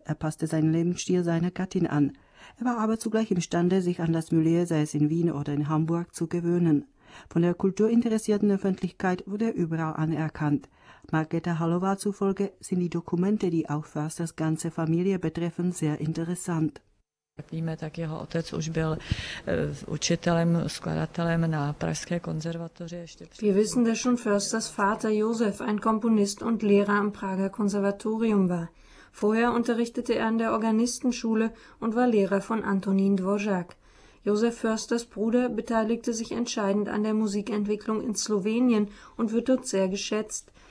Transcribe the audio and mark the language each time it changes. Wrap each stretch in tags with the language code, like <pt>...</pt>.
<de>Er passte seinen Lebensstil seiner Gattin an. Er war aber zugleich imstande, sich an das Milieu, sei es in Wien oder in Hamburg, zu gewöhnen. Von der kulturinteressierten Öffentlichkeit wurde er überall anerkannt. Margareta Hallová zufolge sind die Dokumente, die auch Försters ganze Familie betreffen, sehr interessant.</de> <cs>Víme, tak jeho otec už byl učitelem, skladatelem na Pražské konzervatoři.</cs> <de>Wir wissen, dass schon Försters Vater Josef ein Komponist und Lehrer am Prager Konservatorium war. Vorher unterrichtete er an der Organistenschule und war Lehrer von Antonín Dvořák. Josef Försters Bruder beteiligte sich entscheidend an der Musikentwicklung in Slowenien und wird dort sehr geschätzt.</de>